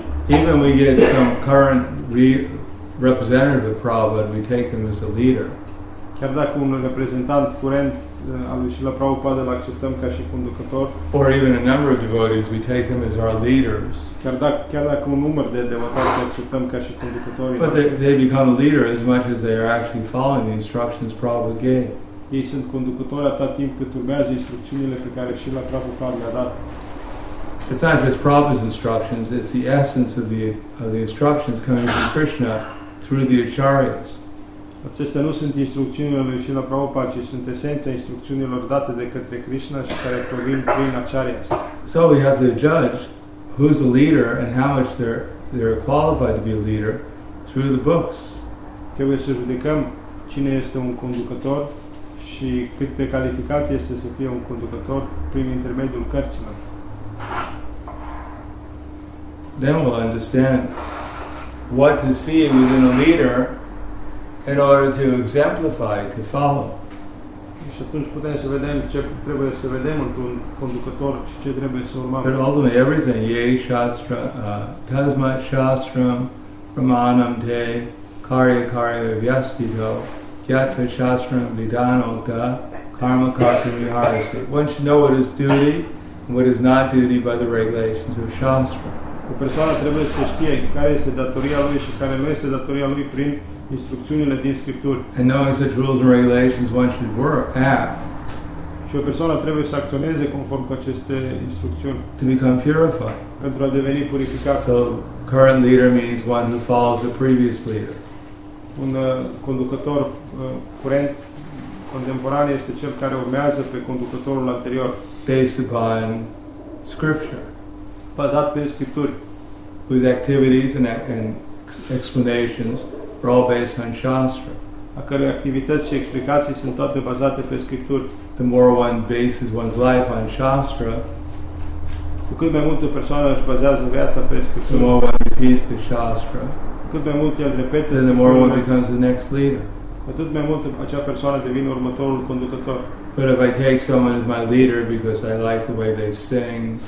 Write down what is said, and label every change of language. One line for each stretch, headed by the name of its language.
English: Even we get some current representative of Prabhupada, we take them as a leader.
Romanian: chiar dacă un reprezentant curent al lui Srila Prabhupada îl acceptăm ca și conducător,
English: or even a number of devotees, we take them as our leaders.
Romanian: Chiar dacă un număr de devotați acceptăm ca și conducători,
English: but they become a leader as much as they are actually following the instructions Prabhupada gave.
Romanian: Ei sunt conducători atât timp cât urmează instrucțiunile pe care Srila Prabhupada le-a dat.
English: It's not just Prabhupada's instructions, it's the essence of the instructions coming from Krishna through the acharyas.
Romanian: Acestea nu sunt instrucțiunile lui Srila Prabhupada, ci sunt esența instrucțiunilor date de către Krishna și care provin prin acharyas.
English: So we have to judge who's the leader and how much they're qualified to be a leader through the books.
Romanian: Trebuie să judecăm cine este un conducător și cât de calificat este să fie un conducător prin intermediul cărților.
English: Then we'll understand what to see within a leader in order to exemplify, to follow.
Romanian: Și atunci putem să vedem ce trebuie să vedem într-un conducător și ce trebuie să urmăm.
English: But ultimately everything,
Sanskrit: yei shastra, tasma shastram, pramanam te, karya karya vyastito, kyatva shastram vidanota, karma karya viharasi.
English: One should know what is duty and what is not duty by the regulations of shastra.
Romanian: O persoană trebuie să știe care este datoria lui și care nu este datoria lui prin instrucțiunile din Scripturi.
English: And knowing such rules and regulations, one should work, act.
Romanian: Și o persoană trebuie să acționeze conform cu aceste instrucțiuni.
English: To become purified.
Romanian: Pentru a deveni purificat.
English: So, current leader means one who follows a previous leader.
Romanian: Un conducător curent, contemporan, este cel care urmează pe conducătorul anterior.
English: Based upon Scripture.
Romanian: Bazat pe Scripturi.
English: Whose activities and explanations are all based on Shastra.
Romanian: A cărei activități și explicații sunt toate bazate pe Scripturi.
English: The more one bases one's life on Shastra,
Romanian: cu cât mai multe persoane își bazează viața pe Scripturi,
English: the more one repeats the Shastra,
Romanian: cu cât mai mult el repetă Scripturi,
English: the more one becomes the next leader.
Romanian: Cu atât mai mult acea persoană devine următorul conducător.
English: But if I take someone as my leader because I like the way they sing,